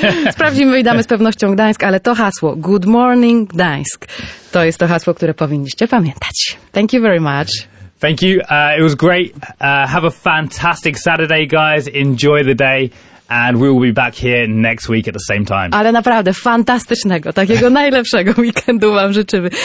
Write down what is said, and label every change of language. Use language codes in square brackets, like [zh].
[pl] Sprawdzimy i damy z pewnością Gdańsk, ale to hasło. [en] Good morning, Gdańsk. [pl] To jest to hasło, które powinniście pamiętać. [en] Thank you very much. Thank you. It was great. Have a fantastic Saturday, guys. Enjoy the day. And we will be back here next week at the same time. [pl] Ale naprawdę fantastycznego, takiego najlepszego weekendu wam życzymy.